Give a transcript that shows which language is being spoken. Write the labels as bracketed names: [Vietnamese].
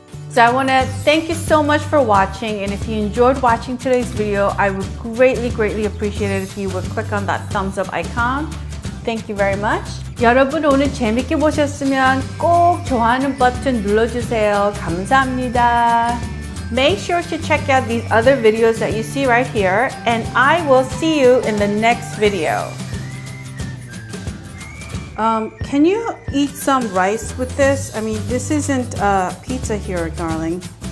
[English] So I want to thank you so much for watching, and if you enjoyed watching today's video, I would greatly, greatly appreciate it if you would click on that thumbs up icon. Thank you very much. [Korean] 여러분 오늘 재밌게 보셨으면 꼭 좋아하는 버튼 눌러주세요. 감사합니다. [English] Make sure to check out these other videos that you see right here, and I will see you in the next video. Can you eat some rice with this? I mean, this isn't pizza here, darling.